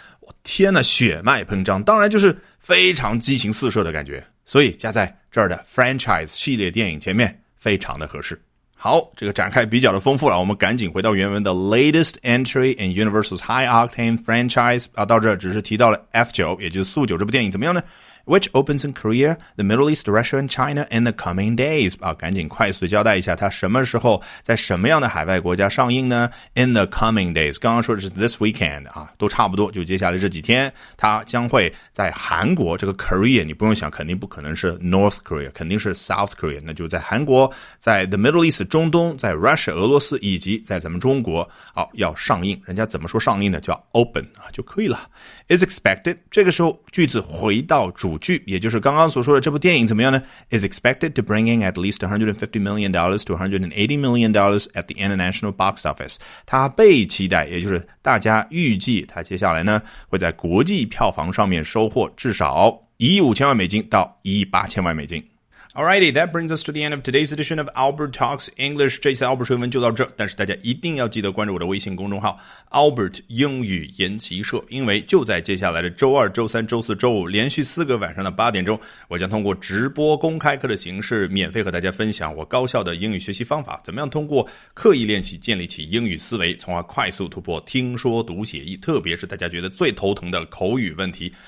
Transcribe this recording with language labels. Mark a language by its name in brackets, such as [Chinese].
[Chinese] 我天哪，血脉膨胀，当然就是非常激情四射的感觉，所以加在这儿的 franchise 系列电影前面非常的合适。好，这个展开比较的丰富了，我们赶紧回到原文的 [English] latest entry in Universal's high octane franchise [Chinese] 啊，到这只是提到了 F9， 也就是速九这部电影怎么样呢？ [English] Which opens in Korea, the Middle East, Russia and China in the coming days [Chinese] 啊，赶紧快速交代一下它什么时候在什么样的海外国家上映呢？ [English] In the coming days， [Chinese] 刚刚说的是 this weekend 啊，都差不多，就接下来这几天它将会在韩国，这个 Korea 你不用想，肯定不可能是 North Korea， 肯定是 South Korea， 那就在韩国，在 the Middle East 中东，在 Russia 俄罗斯，以及在咱们中国啊，要上映。人家怎么说上映呢？叫 open 啊，就可以了。 [English] Is expected， [Chinese] 这个时候句子回到主剧，也就是刚刚所说的这部电影怎么样呢？ [English] Is expected to bring in at least $150 million to $180 million at the international box office. [Chinese] 它被期待，也就是大家预计它接下来呢会在国际票房上面收获至少$15,000,000到$18,000,000。 [English] Alrighty, that brings us to the end of today's edition of Albert Talks English. [Chinese] 这次 Albert 说英文就到这，但是大家一定要记得关注我的微信公众号 Albert 英语研习社，因为就在接下来的周二、周三、周四、周五连续四个晚上的8点钟，我将通过直播公开课的形式免费和大家分享我高效的英语学习方法，怎么样通过刻意练习建立起英语思维，从而快速突破听说读写译，特别是大家觉得最头疼的口语问题。